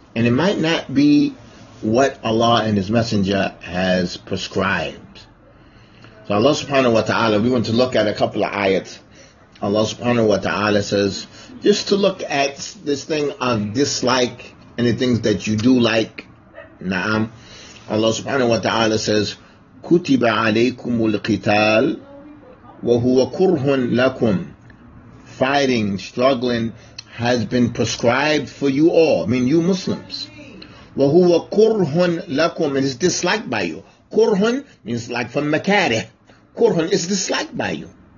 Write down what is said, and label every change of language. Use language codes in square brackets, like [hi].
[en] And it might not be what Allah and His Messenger has prescribed. So Allah subhanahu wa ta'ala, we want to look at a couple of ayats. Allah subhanahu wa ta'ala says, just to look at this thing of dislike, any things that you do like, na'am. [ar] Allah subhanahu wa ta'ala says, كُتِبَ عَلَيْكُمُ الْقِتَالِ وَهُوَ كُرْهٌ لَكُمْ. [en] Fighting, struggling has been prescribed for you all, I mean you Muslims. [ar] وَهُوَ كُرْهٌ لَكُمْ. [en] It is disliked by you. كُرْهٌ means like from makarih. كُرْهٌ is disliked by you.